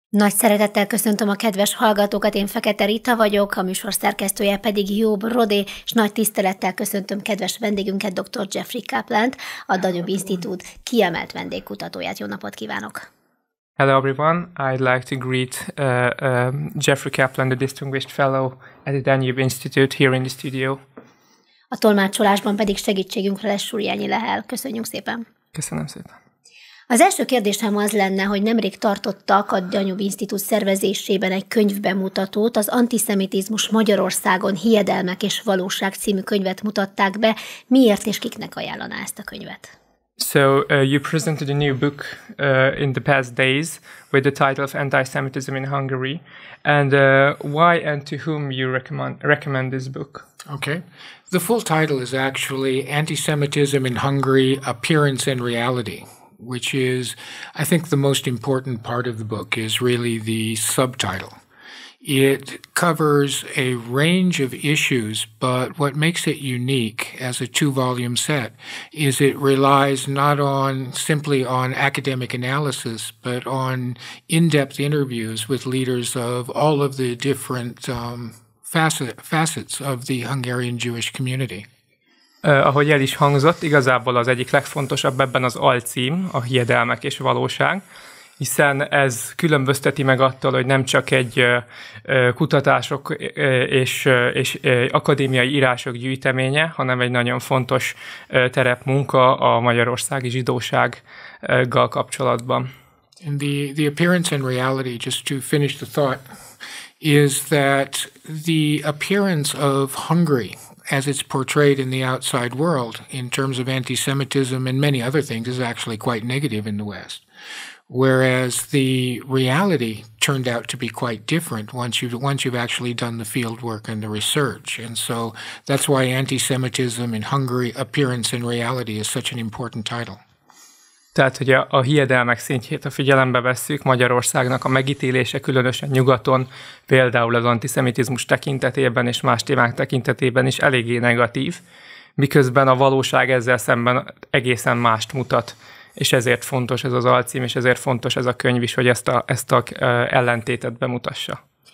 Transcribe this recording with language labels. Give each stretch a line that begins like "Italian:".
Hungarian: Nagy szeretettel köszöntöm a kedves hallgatókat, én Fekete Rita vagyok, a műsor szerkesztője pedig Jobb Rodé, és nagy tisztelettel köszöntöm kedves vendégünket, dr. Jeffrey Kaplant, a Danube Institute kiemelt vendégkutatóját. Jó napot kívánok!
English: Hello everyone, I'd like to greet Jeffrey Kaplan, the distinguished fellow at the Danube Institute here in the studio.
Hungarian: A tolmácsolásban pedig segítségünkre lesz Súrjányi Lehel. Köszönjük szépen! Köszönöm szépen! Az első kérdésem az lenne, hogy nemrég tartottak a Danube Institute szervezésében egy könyvbemutatót, az antiszemitizmus Magyarországon hiedelmek és valóság című könyvet mutatták be. Miért és kiknek ajánlaná ezt a könyvet?
English: So you presented a new book in the past days with the title of Antisemitism in Hungary. And why and to whom you recommend this book? Okay. The full title is actually Antisemitism in Hungary, Appearance and Reality. Which is, I think, the most important part of the book is really the subtitle. It covers a range of issues, but what makes it unique as a two-volume set is it relies not on simply on academic analysis, but on in-depth interviews with leaders of all of the different facets of the Hungarian Jewish community.
Hungarian: Ahogy el is hangzott, igazából az egyik legfontosabb ebben az alcím, a hiedelmek és valóság, hiszen ez különbözteti meg attól, hogy nem csak egy kutatások és akadémiai írások gyűjteménye, hanem egy nagyon fontos terepmunka a magyarországi zsidósággal kapcsolatban.
English: And the appearance and reality, just to finish the thought, is that the appearance of Hungary as it's portrayed in the outside world in terms of antisemitism and many other things is actually quite negative in the West. Whereas the reality turned out to be quite different once you've actually done the field work and the research. And so that's why antisemitism in Hungary, Appearance and Reality is such an important title.
Hungarian: Tehát, hogy a hiedelmek szintjét a figyelembe vesszük, Magyarországnak a megítélése, különösen nyugaton, például az antiszemitizmus tekintetében és más témák tekintetében is eléggé negatív, miközben a valóság ezzel szemben egészen mást mutat, és ezért fontos ez az alcím, és ezért fontos ez a könyv is, hogy ezt a ellentétet bemutassa.